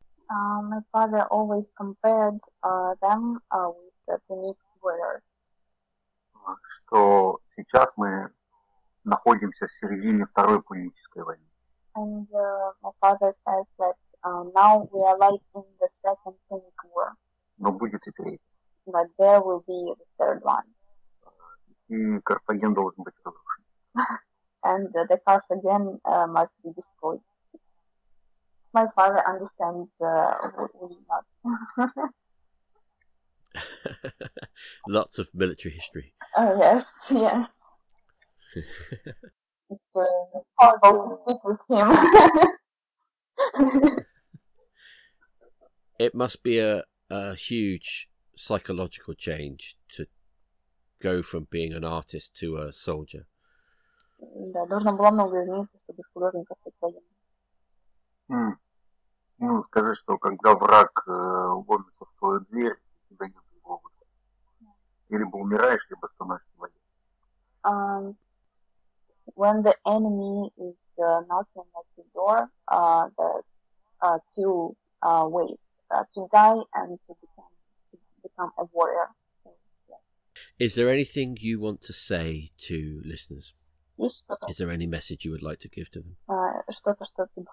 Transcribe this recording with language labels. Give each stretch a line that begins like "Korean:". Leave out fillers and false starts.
English: My father always compared them with the Punic Warriors.
Russian: Что сейчас мы находимся в середине Второй Пунической войны.
English: And my father says that now we are like in the Second Punic War.
Russian: Но будет и третий.
English: But there will be the third one.
Russian: И Карфаген должен быть разрушен.
English: And the Carthaginian must be destroyed. My father understands not. Lots of military history. Yes. It's horrible to speak with him. It must be a huge psychological change to go from being an artist to a soldier.
Russian: Да, должно было много измениться, чтобы художник остался. Ну, скажи, что когда враг ломится в твою дверь, у тебя нет выбора. Либо умираешь, либо становишься военным.
English: When the enemy is knocking at your door, there's two ways: to die and to become a warrior. So, yes. Is there anything you want to say to listeners? Is there any message you would like to give to them?